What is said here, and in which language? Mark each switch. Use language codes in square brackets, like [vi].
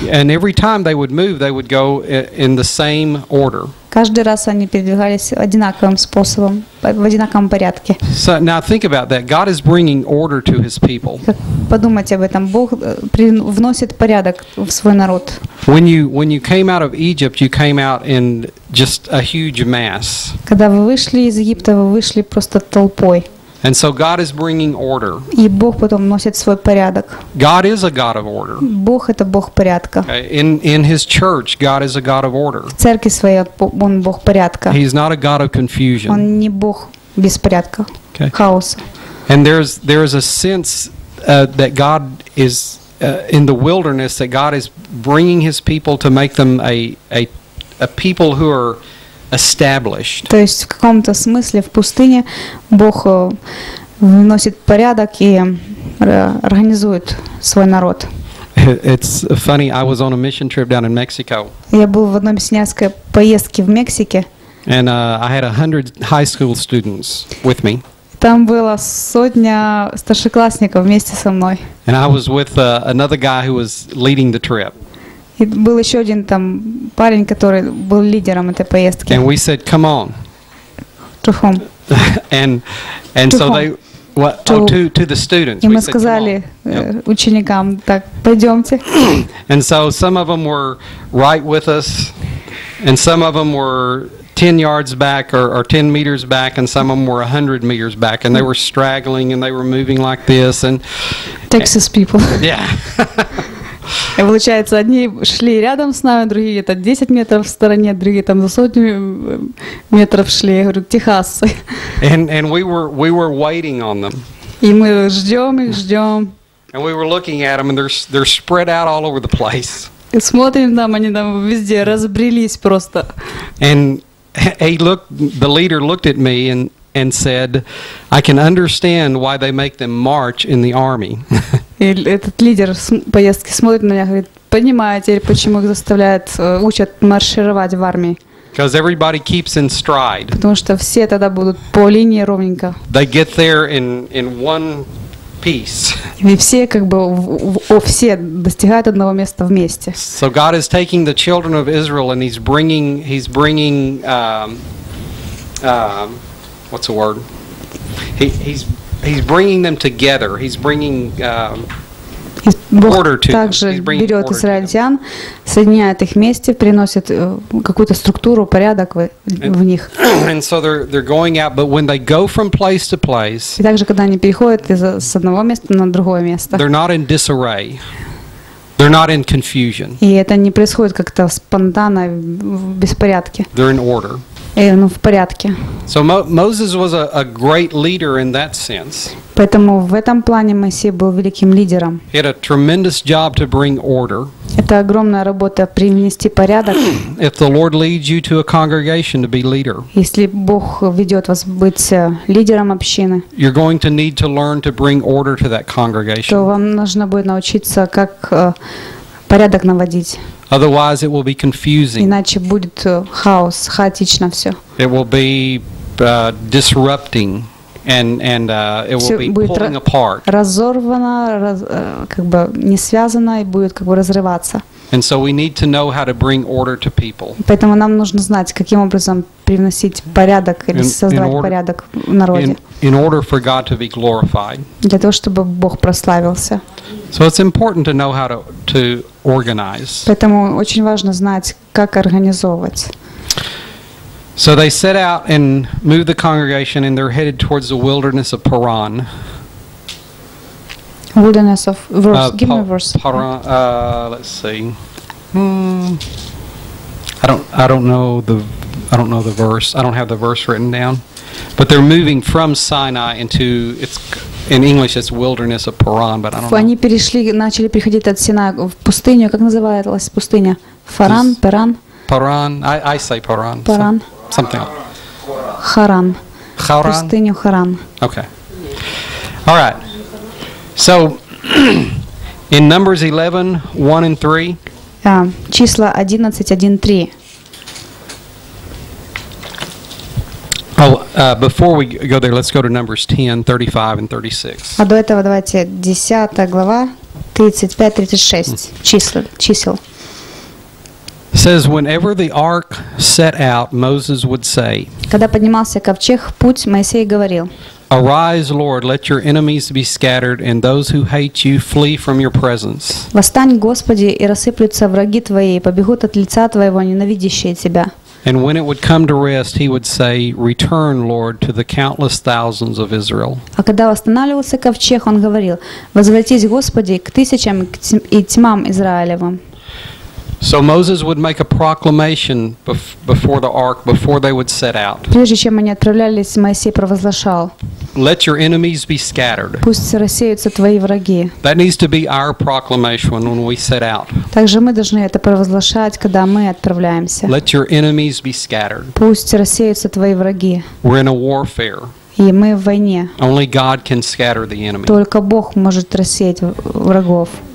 [en] And every time they would move, they would go in the same order. [ru] Каждый раз они передвигались одинаковым способом, в одинаковом порядке. [en] So now think about that. God is bringing order to His people. [ru] Подумайте об этом. Бог вносит порядок в свой народ. [en] When you came out of Egypt, you came out in just a huge mass. [ru] Когда вы вышли из Египта, вы вышли просто толпой. [en] And so God is bringing order. [ru] И Бог потом вносит свой порядок. [en] God is a God of order. [ru] Бог это Бог порядка. [en] In His church, God is a God of order. [ru] В церкви своей он Бог порядка. [en] He's not a God of confusion. [ru] Он не Бог беспорядка, хаоса. [en] And there is a sense that God is in the wilderness, that God is bringing His people to make them a people who are established. [ru] То есть в каком-то смысле в пустыне Бог вносит порядок и организует свой народ. [en] It's funny, I was on a mission trip down in Mexico. [ru] Я был в одной миссионерской поездке в Мексике. [en] And I had 100 high school students with me. [ru] Там было сотня старшеклассников вместе со мной. [en] And I was with another guy who was leading the trip. [ru] И был еще один там парень, который был лидером этой поездки. [en] And we said, come on. To whom? And to so whom? They what? To, oh, to the students. [ru] И мы сказали ученикам, так, пойдемте. [en] And so some of them were right with us, and some of them were 10 yards back or 10 meters back, and some of them were 100 meters back, and they were straggling and they were moving like this. And Texas people. Yeah. [ru] И получается, одни шли рядом с нами, другие это 10 метров в стороне, другие там за сотню метров шли. Я говорю, Техасы. [en] And we were waiting on them. [ru] И мы ждем их, ждем. [en] And we were looking at them, and they're spread out all over the place. [ru] И смотрим там, они там везде разбрелись просто. [en] And the leader looked at me and said, I can understand why they make them march in the army. [ru] И этот лидер поездки смотрит на меня и говорит, понимаете, почему их заставляют, учат маршировать в армии? [en] Because everybody keeps in stride. [ru] Потому что все тогда будут по линии ровненько. [en] They get there in one piece. [ru] И все как бы все достигают одного места вместе. [en] So God is taking the children of Israel and he's bringing what's the word? He's bringing them together. He's bringing [ru] Бог также берет израильтян, соединяет их вместе, приносит какую-то структуру, порядок в них. И также, когда они переходят с одного места на другое место, [en] they're not in disarray. They're not in confusion. [ru] И это не происходит как-то спонтанно, в беспорядке. [en] They're in order. [ru] Ну, в порядке. [en] So Moses was a great leader in that sense. [ru] Поэтому в этом плане Моисей был великим лидером. [en] He had a tremendous job to bring order. [ru] Это огромная работа принести порядок. [en] If the Lord leads you to a congregation to be leader. [ru] Если Бог ведет вас быть лидером общины. [en] You're going to need to learn to bring order to that congregation. [ru] То вам нужно будет научиться, как порядок наводить. [en] Otherwise, it will be confusing. [ru] Иначе будет хаос, хаотично все. [en] It will be disrupting, and it will be pulling apart. [ru] Разорвано, как бы не связано и будет как бы разрываться. [en] And so we need to know how to bring order to people. [ru] Поэтому нам нужно знать, каким образом привносить порядок или создавать порядок в народе. [en] In order for God to be glorified. [ru] Для того, чтобы Бог прославился. [en] So it's important to know how to organize. [ru] Поэтому очень важно знать, как организовывать. [en] So they set out and move the congregation, and they're headed towards the wilderness of Paran. Wilderness of verse. Give me verse. Paran. Let's see. I don't know the verse. I don't have the verse written down. But they're moving from Sinai into it's. In English, it's wilderness of Paran, but I don't know. [ru] Они перешли, начали приходить от Синая в пустыню. Как называлась пустыня? Фаран, Паран? [en] Паран. I say Paran. [ru] Паран. [en] Something. [ru] Харан. Харан. Пустыню Харан. [en] Okay. All right. So, in Numbers 11, 1 and 3. [ru] Числа 11, 1, 3. [en] Before we go there, let's go to Numbers 10, 35, and 36. [ru] А до этого давайте 10 глава, 35-36, чисел. [en] Says, whenever the ark set out, Moses would say, [ru] когда поднимался ковчег в путь, Моисей говорил, [en] Arise, Lord, let your enemies be scattered, and those who hate you flee from your presence. [ru] Восстань, Господи, и рассыплются враги Твои, побегут от лица Твоего ненавидящие Тебя. [en] And when it would come to rest, he would say, "Return, Lord, to the countless thousands of Israel." [ru] А когда восстанавливался ковчег, он говорил: «Возвратись, Господи, к тысячам и тьмам Израилевым». [en] So Moses would make a proclamation before the ark before they would set out. [ru] Прежде чем они отправлялись, Моисей провозглашал: [en] Let your enemies be scattered. [ru] Пусть рассеются твои враги. [en] That needs to be our proclamation when we set out. [ru] Также мы должны это провозглашать, когда мы отправляемся. [en] Let your enemies be scattered. [ru] Пусть рассеются твои враги. [en] We're in a warfare. [ru] И мы в войне. [en] Only God can scatter the enemy. [ru] Только Бог может рассеять врагов.